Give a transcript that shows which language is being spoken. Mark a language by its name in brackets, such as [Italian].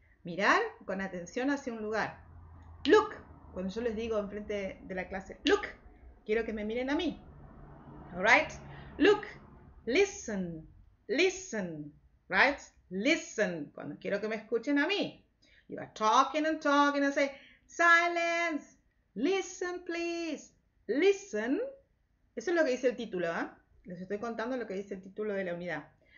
[Spanish] Mirar con atención hacia un lugar. Look. Cuando yo les digo enfrente de la clase, look. Quiero que me miren a mí. [English] All right? Look. Listen, listen, right? [Spanish] Listen, cuando quiero que me escuchen a mí. [English] You are talking and talking and say, silence, listen please, listen. [Spanish] Eso es lo que dice el título, ¿eh? Les estoy contando lo que dice el título de la unidad.